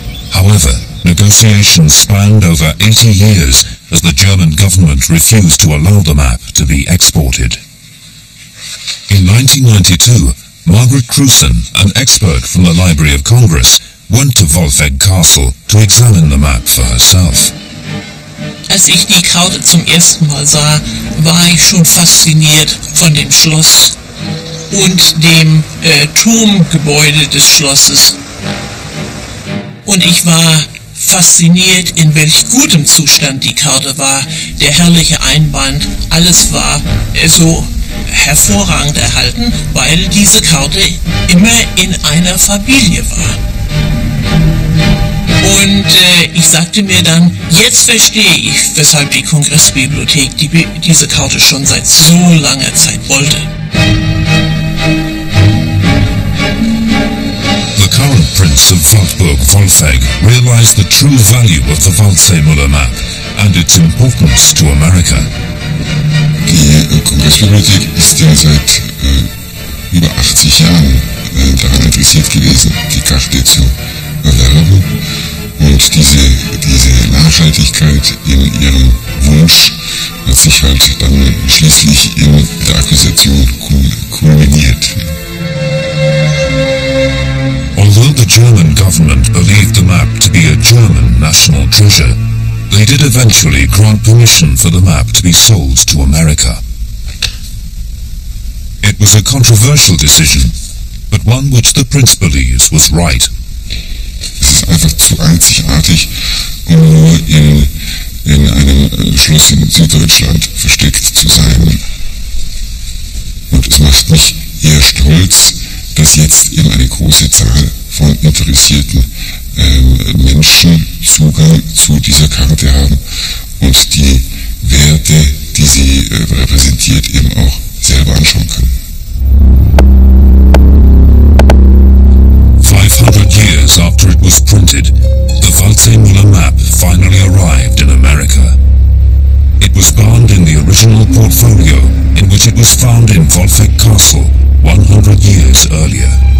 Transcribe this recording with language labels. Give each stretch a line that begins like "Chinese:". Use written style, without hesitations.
English: However, negotiations spanned over 80 years as the German government refused to allow the map to be exported. In 1992, Margaret Crewson, an expert from the Library of Congress, went to Wolfegg Castle to examine the map for herself.
German: Als ich die Karte zum ersten Mal sah, war ich schon fasziniert von dem Schloss und dem Turmgebäude des Schlosses. Und ich war fasziniert, in welch gutem Zustand die Karte war, der herrliche Einband, alles war so hervorragend erhalten, weil diese Karte immer in einer Familie war. Und ich sagte mir dann, jetzt verstehe ich, weshalb die Kongressbibliothek diese Karte schon seit so langer Zeit wollte.
English: The current prince of Waldburg, Wolfegg, realized the true value of the Waldseemuller map and its importance to America.
German: Die Kongressbibliothek ist ja seit über 80 Jahren daran interessiert gewesen, die Karte zu erwerben. Und diese Nachhaltigkeit in ihrem Wunsch hat sich halt dann schließlich in der Akquisition kulminiert.
English: Although the German government believed the map to be a German national treasure, they did eventually grant permission for the map to be sold to America. It was a controversial decision, but one which the prince believes was right.
German: Es ist einfach zu einzigartig, um nur in einem Schloss in Süddeutschland versteckt zu sein. Und es macht mich eher stolz, dass jetzt eben eine große Zahl von interessierten Menschen Zugang zu dieser Karte haben und die Werte, die sie repräsentiert, eben auch selber anschauen können.
English: 500 years after it was printed, the Waldseemuller map finally arrived in America. It was bound in the original portfolio in which it was found in Wolfegg Castle 100 years earlier.